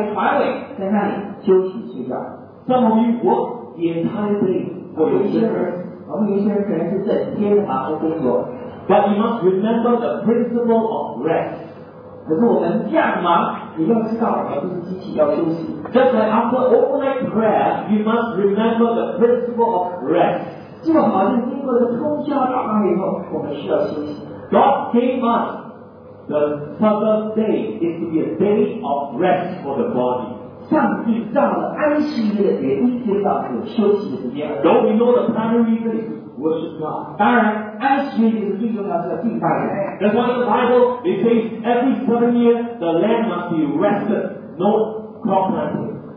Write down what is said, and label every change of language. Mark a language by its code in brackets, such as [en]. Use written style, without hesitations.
[zh] 第三十五节告诉我们说，耶稣就找到了一个枕头，然后就在一个船尾，在那里休息睡觉。 [en] Some of you work the entire day for your service. [zh] 我们有些人可能是整天的忙碌工作。 [en] But you must remember the principle of rest. [zh] 可是我们这样忙，你要知道，而不是机器要休息。 [en] Just like after overnight prayer, you must remember the principle of rest. [zh] 就好像经过了通宵祷告以后，我们需要休息。 [en] God gave us the Sabbath day is to be a day of rest for the body. [zh] 上帝造了安息日，也预定到有休息的时间。 [en] Though we know the primary reason is worship God. [zh] 当然，安息日是最重要的敬拜的。 [en] That's why the Bible it says every 7 years the land must be rested, no crop planting.